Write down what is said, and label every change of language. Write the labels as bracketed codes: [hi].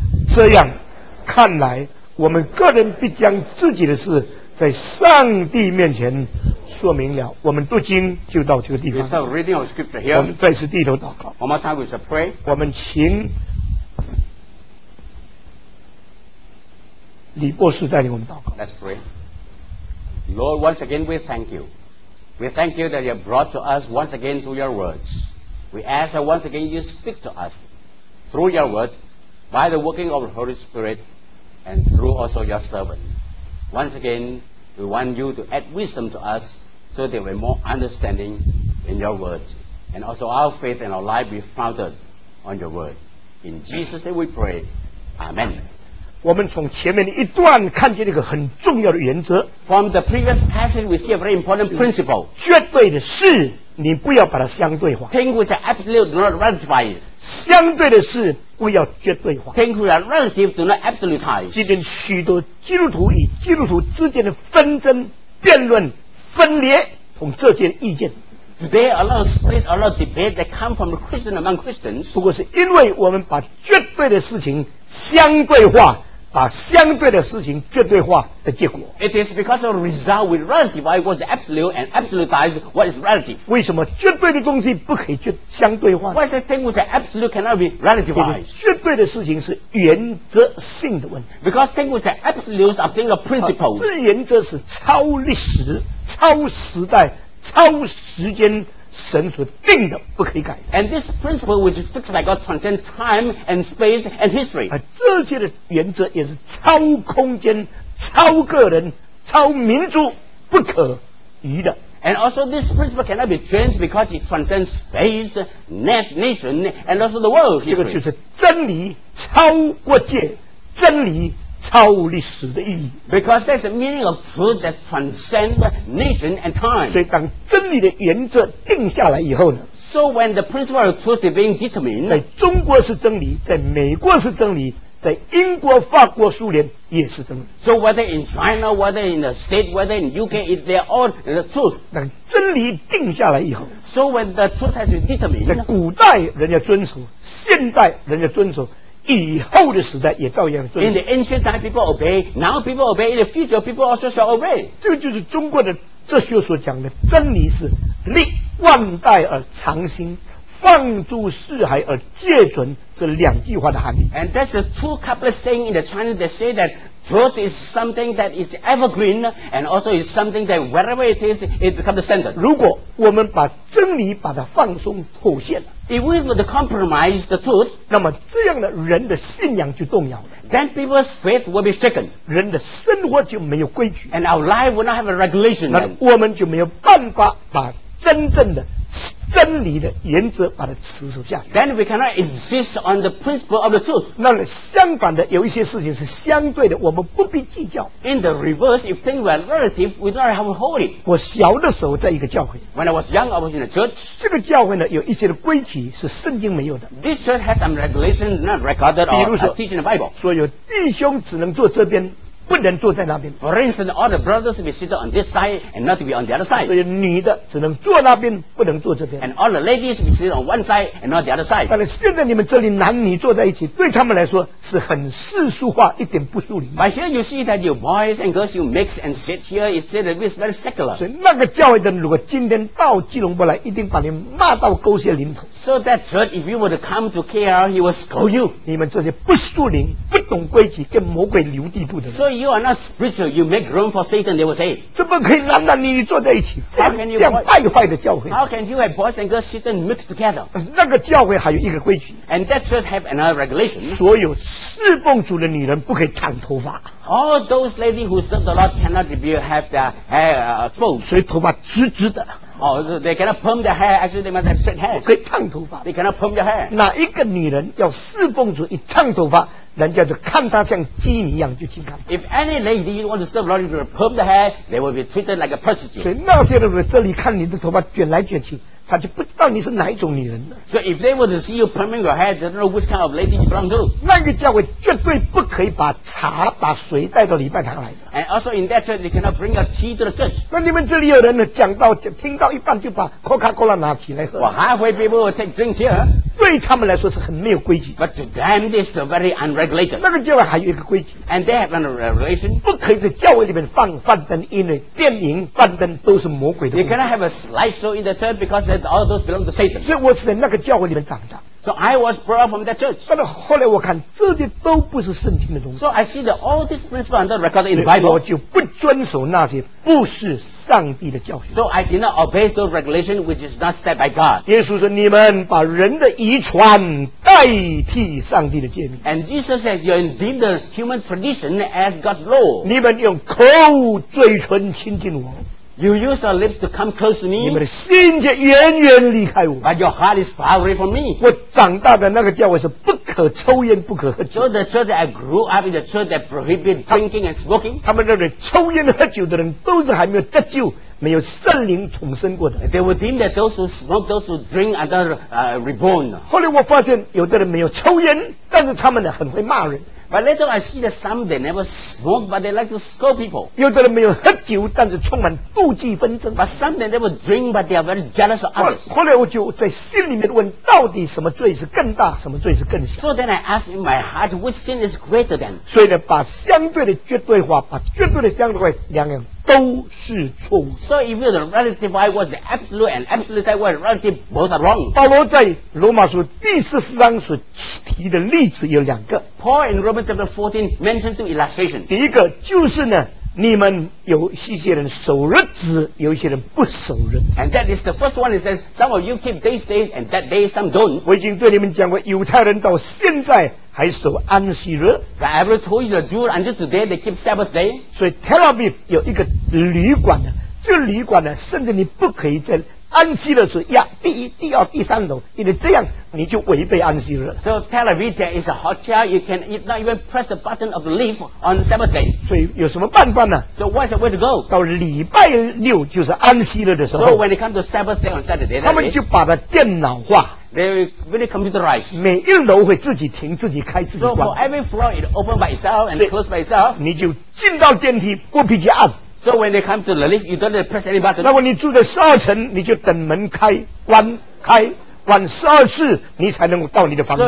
[zh] 这样看来，我们个人必将自己的事在上帝面前说明了。我们读经就到这个地方。 [en] Let's start reading our scripture here. [zh] 我们再次低头祷告。 [en] One more time we shall pray. [zh] 我们请李博士带领我们祷告。 [en] Let's pray. Lord, once again we thank you. We thank you that you have brought to us once again through your words. We ask that once again you speak to us through your word, by the working of the Holy Spirit, and through also your servant. Once again, we want you to add wisdom to us so that we have more understanding in your words, and also our faith and our life be founded on your word. In Jesus' name we pray. Amen. [zh] 我们从前面的一段看见一个很重要的原则。 [en] From the previous passage, we see a very important principle. [zh] 绝对的事，你不要把它相对化。 [en] Things which are absolute do not relativize. [zh] 相对的事不要绝对化。 [en] Things which are relative do not absolutize. [zh] 今天许多基督徒与基督徒之间的纷争、辩论、分裂，从这些意见。 [en] Today, a lot of split, a lot of debate that come from Christians among Christians. [zh] 不过是因为我们把绝对的事情相对化，把相对的事情绝对化的结果。 [en] It is because of the result we relativize what is absolute and absolutize what is relative. [zh] 为什么绝对的东西不可以去相对化？ [en] Why is the thing which is absolute cannot be relativized? [zh] 绝对的事情是原则性的问题。 [en] Because things which are absolute are things of principles. [zh] 这原则是超历史、超时代、超时间神所定的，不可以改。 [en] And this principle which is fixed by God transcends time and space and history. [zh] 这些的原则也是超空间、超个人、超民族不可移的。 [en] And also this principle cannot be changed because it transcends space, nation, and also the world history. [zh] 这个就是真理超过界，真理超历史的意义。 [en] Because there's a meaning of truth that transcends nation and time. [zh] 所以当真理的原则定下来以后呢 [en] ？So when the principle of truth is being determined, [zh] 在中国是真理，在美国是真理，在英国、法国、苏联也是真理。 [en] So whether in China, whether in the state, whether in UK, they're all the truth. [zh] 当真理定下来以后 [en] ，So when the truth has been determined, [zh] 在古代人家遵守，现代人家遵守。以后的时代也照样遵守。 [en] In the ancient time, people obey. Now, people obey. In the future, people also shall obey. [zh] 这就是中国的哲学所讲的真理是历万代而常新，放诸四海而皆准这两句话的含义。 [en] And that's the two couplet saying in the Chinese that say that truth is something that is evergreen and also is something that wherever it is, it becomes the standard. [zh] 如果我们把真理把它放松妥协了。 [en] If we were to compromise the truth, [zh] 那么这样的人的信仰就动摇了。 [en] Then people's faith will be shaken. [zh] 人的生活就没有规矩。 [en] And our life will not have a regulation. [zh] 那我们就没有办法把真正的真理的原则把它持守下去。 [en] Then we cannot insist on the principle of the truth. [zh] 那相反的，有一些事情是相对的，我们不必计较。 [en] In the reverse, if things were relative, we don't have to hold it. [zh] 我小的时候在一个教会。 [en] When I was young, I was in a church. [zh] 这个教会呢，有一些的规矩是圣经没有的。 [en] This church has some regulations not recorded or teaching the Bible. [zh] 所有弟兄只能坐这边。不能坐在那边。 [en] For instance, all the brothers be seated on this side and not be on the other side. [zh] 所以女的只能坐那边，不能坐这边。 [en] And all the ladies be seated on one side and not the other side. [zh] 但是现在你们这里男女坐在一起，对他们来说是很世俗化，一点不疏离。 [en] But here you see that your boys and girls you mix and sit here, it said that it's very secular. [zh] 所以那个教会的人如果今天到基隆坡来，一定把你骂到狗血淋头。 [en] So that church, if you were to come to KL, he will scold you. [zh] 你们这些不疏离、不懂规矩、跟魔鬼留地步的人。 [en] So you are not spiritual, you make room for Satan, they will say. [zh] 怎么可以男男女女坐在一起？这样败坏的教会。 [en] How can you have boys and girls sitting mixed together? [zh] 那个教会还有一个规矩。 [en] And that church have another regulation. [zh] 所有侍奉主的女人不可以烫头发。 [en] All those ladies who serve the Lord cannot be have their hair exposed. [zh] 所以头发直直的。 [en] Oh, so、they cannot perm their hair. Actually, they must have straight hair. [zh] 可以烫头发。 [en] They cannot perm their hair. [zh] 哪一个女人要侍奉主一烫头发？人家就看他像鸡一样就去看。 [en] If any lady want to serve Lord, will perm the hair, they will be treated like a prostitute. [zh] 所以那些人在这里看你的头发卷来卷去，他就不知道你是哪一种女人。 [en] So if they were to see you perming your hair, they don't know which kind of lady you belong to. [zh] 那个教会绝对不可以把茶、把水带到礼拜堂来的。 [en] And also in that church, you cannot bring your tea to the church. [zh] 那你们这里有人呢，讲到听到一半就把 Coca-Cola 拿起来喝。 [en] Well, halfway people will take drinks here. [zh] 对他们来说是很没有规矩。 [en] But to them, this is very unregulated. [zh] 那个教会还有一个规矩。 [en] And they have another regulation. [zh] 不可以在教会里面放幻灯，因为电影幻灯都是魔鬼的。 [en] You cannot have a slideshow in the church because all those belong to Satan. [zh] 所以我是在那个教会里面长大。 [en] So I was brought from that church. [zh] 但是后来我看这些都不是圣经的东西。 [en] So I see that all these principles are not recorded in the Bible. [zh] 所以我就不遵守那些不是上帝的教训。 [en] So I did not obey the regulation which is not set by God. [zh] 耶稣说你们把人的遗传代替上帝的诫命。 [en] And Jesus said you deem the human tradition as God's law. [zh] 你们用口嘴唇亲近我。 [en] You use your lips to come close to me. [zh] 你们的心却远远离开我。 [en] But your heart is far away from me. [zh] 我长大的那个教会是不可抽烟不可喝酒。 [en] So the church that I grew up in, the church that prohibited drinking and smoking. [zh] 他们认为抽烟喝酒的人都是还没有得救，没有圣灵重生过的。 [en] They would deem that those who smoke, those who drink are not reborn. [zh] 后来我发现有的人没有抽烟，但是他们呢很会骂人。 [en] But later I see that some they never smoke, but they like to scold people. [zh] 有的人没有喝酒，但是充满妒忌纷争。 [en] But some they never drink, but they are very jealous of others. [zh] 后来我就在心里面问，到底什么罪是更大，什么罪是更小？ [en] So then I ask in my heart, which sin is greater than? [zh] 所以呢，把相对的绝对化，把绝对的相对化，两样都是错误。 [en] So if the relative I was the absolute and absolute I was relative, both are wrong. [zh] 保罗在罗马书第十四章所提的例子有两个。 [en] Paul in Romans chapter 14 mentioned two illustrations. [zh] 第一个就是呢，你们有一些人守日子，有一些人不守日子。 [en] And that is the first one is that some of you keep these days and that day some don't. [zh] 我已经对你们讲过，犹太人到现在还守安息日。 [en] So I ever told you the Jews until today they keep Sabbath day. [zh] 所以 Tel Aviv 有一个旅馆呢，这个旅馆呢，甚至你不可以在安息日是压第一、第二、第三楼，因为这样你就违背安息日。 [en] So Tel Aviv there is a hotel you can not even press the button of the lift on Sabbath day. [zh] 所以有什么办法呢 [en] ？So what's the way to go？ [zh] 到礼拜六就是安息日的时候。 [en] So when it comes to Sabbath day on Saturday， [zh] 他们就把它电脑化。 [en] They are really computerized. [zh] 每一楼会自己停、自己开、自己关。 [en] So for every floor it opens by itself and closes by itself. [zh] 你就进到电梯，不必去按。 [en] So when they come to the lift, you don't need to press any button. [zh] 那么你住在十二层，你就等门开、关、开、关十二次，你才能到你的房间。